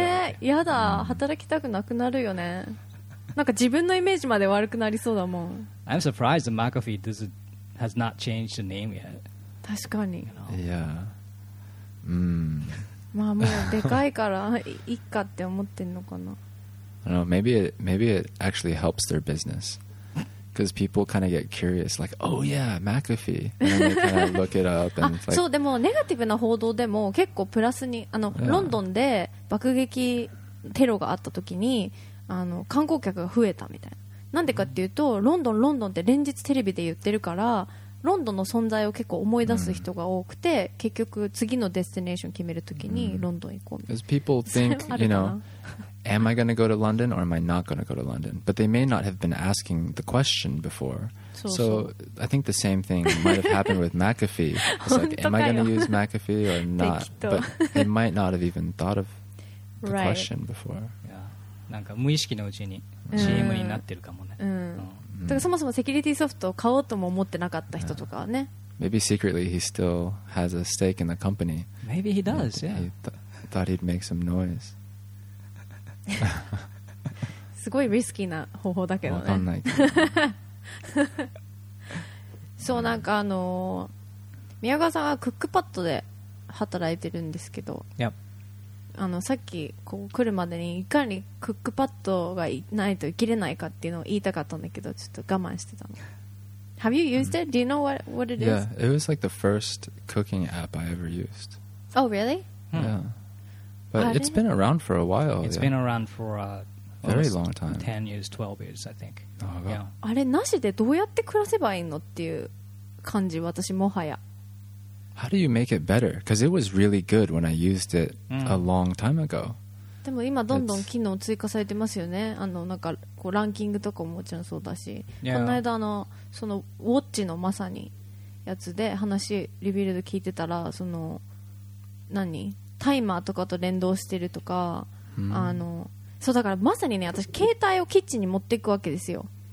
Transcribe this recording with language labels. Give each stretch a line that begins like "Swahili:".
Japanese: ねえ、やだ、働きたくなくなるよね。なんか自分のイメージまで悪くなりそうだもん。
English: I'm surprised that McAfee has not changed the name yet.
Japanese: 確かに。
English: Yeah.
Japanese: まあもうでかいからいっかって思ってんのかな。
English: I don't know, maybe it actually helps their business. Because people kind of get curious, like, oh yeah, McAfee. And then they kind of look it up. And like...
Japanese: そう、でもネガティブな報道でも結構プラスに、あの、yeah. ロンドンで爆撃テロがあった時に、あの観光客が増えたみたいな。なんでかっていうと、ロンドンロンドンって連日テレビで言ってるから、ロンドンの存在を結構思い出す人が多くて、結局次のデスティネーション決めるときにロンドン行こうみたいな。
English: Because people think, you know, am I going to go to London or am I not going to go to London? But they may not have been asking the question before. So I think the same thing might have happened with McAfee. It's like, am I going to use McAfee or not? But they might not have even thought of the question before.
Japanese: なんか無意識のうちに CM になってるかもね。だからそもそもセキュリティソフトを買おうとも思ってなかった人とかはね。
English: Maybe secretly he still has a stake in the company. Maybe he does, yeah. He thought he'd make some noise.
Japanese: すごいリスキーな方法だけどね。わかんないけど。そう、なんか宮川さんはクックパッドで働いてるんですけど。いや。あのさっきこう来るまでにいかにクックパッドがないと生きれないかっていうのを言いたかったんだけど、ちょっと我慢してたの。
English: Have you used it? Do you know what it is? Yeah, it was like the first cooking app I ever used. Oh, really? Yeah. But it's been around for a while. It's been around for a very long time. 10 years, 12 years, I think.
Japanese: あれなしでどうやって暮らせばいいのっていう感じ、私もはや。
English: How do you make it better? Because it was really good when I used it a long time ago.
Japanese: でも今どんどん機能追加されてますよね。あのなんかこうランキングとかももちろんそうだし、
English: yeah.
Japanese: この間そのウォッチのまさにやつで話リビルド聞いてたら、その何タイマーとかと連動してるとか、そうだからまさにね、私携帯をキッチンに持っていくわけですよ。